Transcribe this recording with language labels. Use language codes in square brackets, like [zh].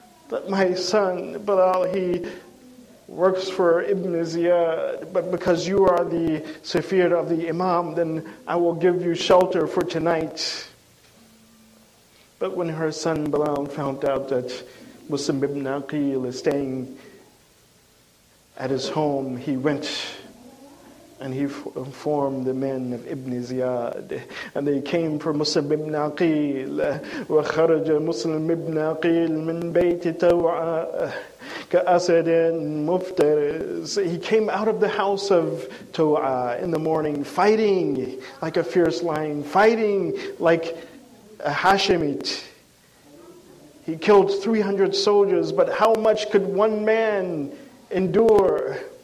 [en] That my son, Bilal, he works for Ibn Ziyad, but because you are the Safir of the Imam, then I will give you shelter for tonight. But when her son Bilal found out that Mus'ab ibn Aqil is staying at his home, he went and he informed the men of Ibn Ziyad. And they came for Mus'ab ibn Aqil. [ar] وَخَرَجَ مُسْلِمْ ibn Aqil مِنْ بَيْتِ تَوْعَى كَأَسَدٍ مُفْتَرِسِ. [en] He came out of the house of Tawa in the morning, fighting like a fierce lion, fighting like a Hashemite. He killed 300 soldiers, but how much could one man endure?